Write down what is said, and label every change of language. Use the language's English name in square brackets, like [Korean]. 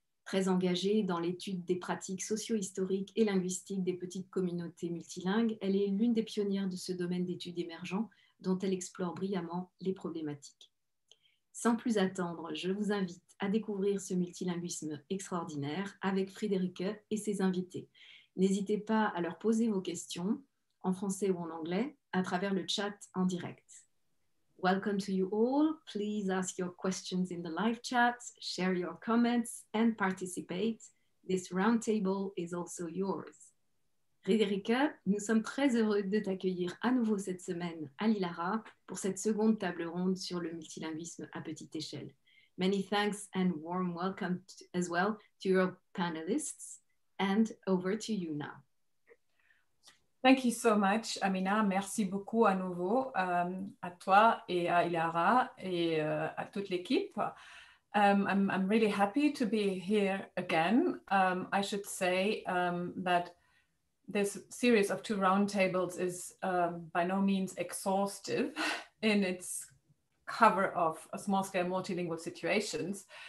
[French] Très engagée dans l'étude des pratiques socio-historiques et linguistiques des petites communautés multilingues, elle est l'une des pionnières de ce domaine d'études émergent dont elle explore brillamment les problématiques. Sans plus attendre, je vous invite à découvrir ce multilinguisme extraordinaire avec Friederike et ses invités. N'hésitez pas à leur poser vos questions, en français ou en anglais, à travers le chat en direct. [English] Welcome to you all. Please ask your questions in the live chat, share your comments and participate. This roundtable is also yours. [French] Friederike, nous sommes très heureux de t'accueillir à nouveau cette semaine à l'ILARA pour cette seconde table ronde sur le multilinguisme à petite échelle. [English] Many thanks and warm welcome as well to your panelists. And over to you now. Thank you so much, Amina. [French] Merci beaucoup à nouveau à toi et à ILARA et à toute l'équipe. [English] I'm really happy to be here again. I should say that this series of two roundtables is by no means exhaustive in its cover of small-scale multilingual situations.